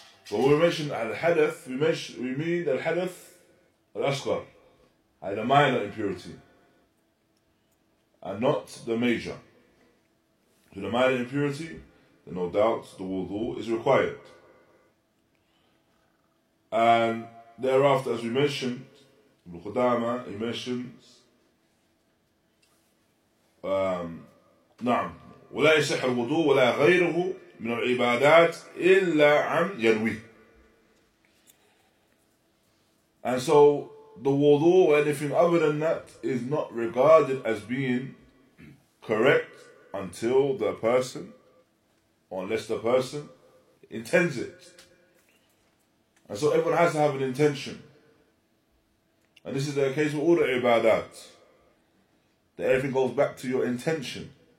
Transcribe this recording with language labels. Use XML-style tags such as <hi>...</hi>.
<en>When we mention al-hadath, we mean al-hadath al-ashqar, the minor impurity, and not the major. For the minor impurity, then no doubt the wudu is required. And thereafter, as we mentioned, Ibn Qudama, he mentions,</en> <ar>نعم ولا يصح الوضوء ولا غيره من العبادات إلا عن ينوي.</ar> <en>And so the wudu or anything other than that is not regarded as being correct until the person, or unless the person, intends it. And so everyone has to have an intention. And this is the case with all the ibadat, that everything goes back to your intention.</en>